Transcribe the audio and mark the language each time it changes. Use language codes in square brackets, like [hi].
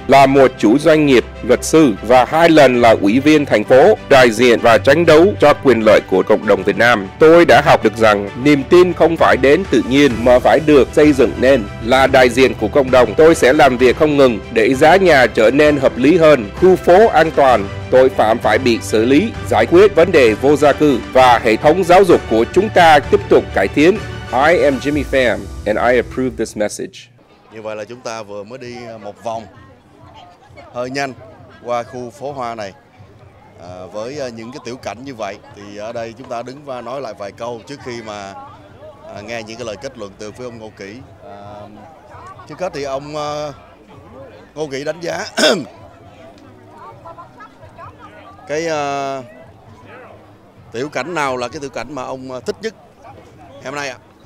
[vi] Là một chủ doanh nghiệp, luật sư và hai lần là ủy viên thành phố, đại diện và tranh đấu cho quyền lợi của cộng đồng Việt Nam, tôi đã học được rằng niềm tin không phải đến tự nhiên mà phải được xây dựng nên. Là đại diện của cộng đồng, tôi sẽ làm việc không ngừng để giá nhà trở nên hợp lý hơn, khu phố an toàn, tội phạm phải bị xử lý, giải quyết vấn đề vô gia cư và hệ thống giáo dục của chúng ta tiếp tục cải tiến. [en] I am Jimmy Pham and I approve this message. [vi] Như vậy là chúng ta vừa mới đi một vòng hơi nhanh qua khu phố hoa này. với những cái tiểu cảnh như vậy, thì ở đây chúng ta đứng và nói lại vài câu trước khi mà nghe những cái lời kết luận từ phía ông Ngô Kỷ. Trước hết thì ông Ngô Kỷ đánh giá cái tiểu cảnh nào là cái tiểu cảnh mà ông thích nhất hôm nay ạ?